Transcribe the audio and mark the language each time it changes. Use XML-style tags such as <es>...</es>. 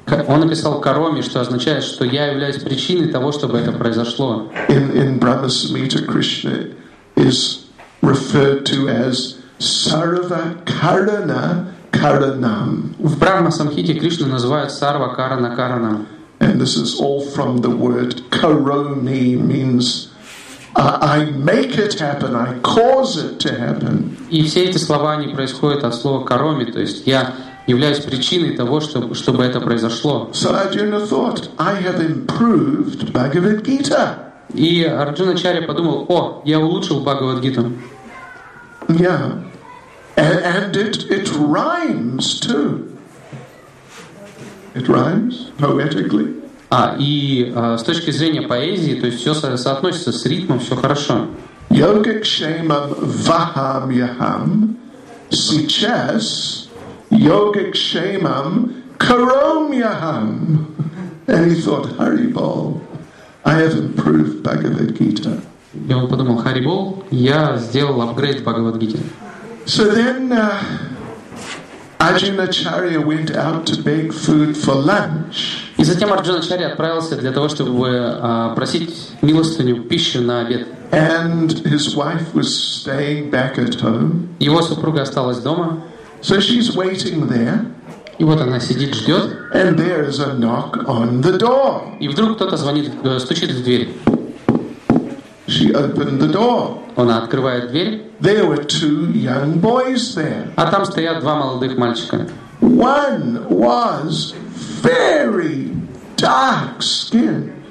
<ru>Он написал Кароми, что означает, что я являюсь причиной того, чтобы это произошло.</ru> <en>In Brahma Samhita, Krishna is referred to as Sarva Karana Karanam.</en> <ru>В Брахма Самхите Кришну называют Сарва Карана Каранам.</ru> <en>And this is all from the word Karomi means I make it happen, I cause it to happen.</en> <ru>И все эти слова, они происходят от слова Кароми, то есть я являюсь причиной того, чтобы это произошло.</ru> <en>So Arjuna thought, I have improved Bhagavad Gita.</en> <ru>И Арджуна Чарья подумал, о, я улучшил Бхагавад Гиту.</ru> <en>Yeah. And it rhymes too. It rhymes poetically.</en> <ru>С точки зрения поэзии, то есть все соотносится с ритмом, все хорошо.</ru> <sa>Йога кшемам вахамьяхам сейчас йога кшемам каромьяхам.</sa> <en>And he thought, Hari Bol, I have improved Bhagavad Gita.</en> <ru>И он подумал, Hari Bol, я сделал апгрейд Бхагавад Гите.</ru> <en>So then Arjunacharya went out to beg food for lunch.</en> <ru>И затем Арджуначарья отправился для того, чтобы просить милостыню, пищу на обед.</ru> <en>And his wife was staying back at home.</en> <ru>Его супруга осталась дома.</ru> <en>So she's waiting there.</en> <ru>И вот она сидит, ждет.</ru> <en>And there is a knock on the door.</en> <ru>И вдруг кто-то звонит, стучит в дверь.</ru> <en>She opened the door.</en> <ru>Она открывает дверь.</ru> <en>There were two young boys there.</en> <ru>А там стоят два молодых мальчика.</ru> <en>One was very dark skin.</en>